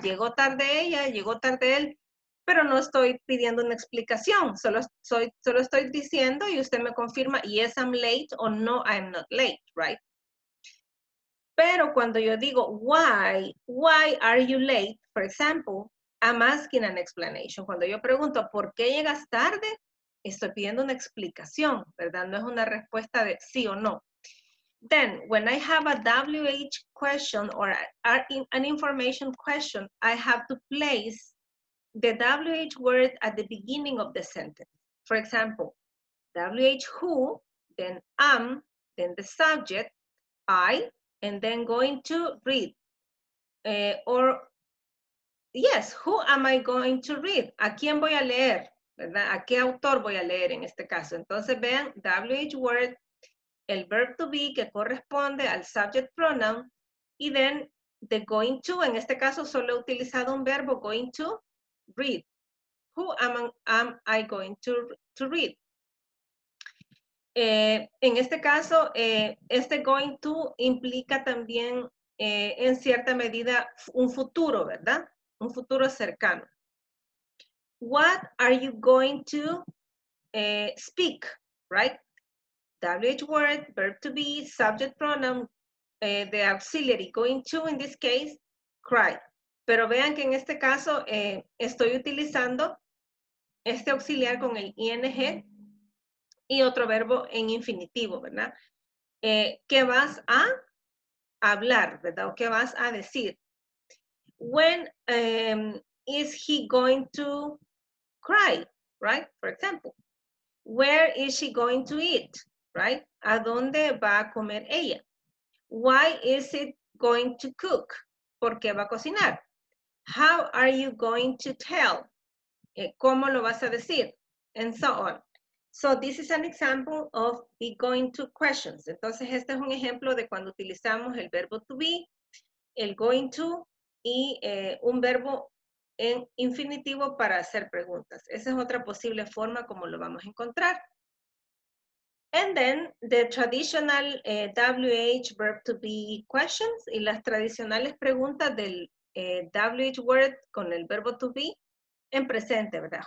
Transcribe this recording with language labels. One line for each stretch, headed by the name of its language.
Spanish: ¿Llegó tarde ella? ¿Llegó tarde él? Pero no estoy pidiendo una explicación, solo estoy diciendo y usted me confirma,
English: yes, I'm late
Spanish: o no,
English: I'm not late, right?
Spanish: Pero cuando yo digo
English: why are you late, for example, I'm asking an explanation.
Spanish: Cuando yo pregunto por qué llegas tarde, estoy pidiendo una explicación, ¿verdad? No es una respuesta de sí o no.
English: Then, when I have a WH question or an information question, I have to place the WH word at the beginning of the sentence. For example, WH who, then am, then the subject, I, and then going to read. Or, yes, who am I going to read?
Spanish: ¿A quién voy a leer? ¿Verdad? ¿A qué autor voy a leer en este caso? Entonces, vean, WH word, el verb to be que corresponde al subject pronoun, y
English: then the going to,
Spanish: en este caso solo he utilizado un verbo, going to read.
English: Who am I going to read?
Spanish: En este caso, este going to implica también, en cierta medida, un futuro, ¿verdad? Un futuro cercano.
English: What are you going to speak, right? WH word, verb to be, subject pronoun, the auxiliary, going to, in this case, cry.
Spanish: Pero vean que en este caso estoy utilizando este auxiliar con el ing y otro verbo en infinitivo, ¿verdad? ¿Qué vas a hablar, verdad? ¿O qué vas a decir?
English: When is he going to cry, right? For example, where is she going to eat, right?
Spanish: ¿A dónde va a comer ella?
English: Why is it going to cook?
Spanish: ¿Por qué va a cocinar?
English: How are you going to tell?
Spanish: ¿Cómo lo vas a decir?
English: And so on. So this is an example of the going to questions.
Spanish: Entonces, este es un ejemplo de cuando utilizamos el verbo to be, el going to, y un verbo en infinitivo para hacer preguntas. Esa es otra posible forma como lo vamos a encontrar.
English: And then, the traditional WH verb to be questions
Spanish: y las tradicionales preguntas del WH word con el verbo to be en presente, ¿verdad?